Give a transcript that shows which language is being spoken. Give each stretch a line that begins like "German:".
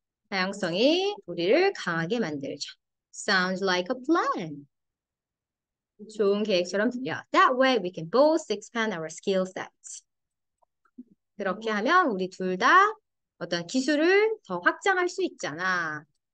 Korean: 다양성이 우리를 강하게 만들죠.
English: Sounds like a plan.
Korean: 좋은 계획처럼 들려.
English: That way we can both expand our skill sets.
Korean: 그렇게 하면 우리 둘다 어떤 기술을 더 확장할 수 있잖아.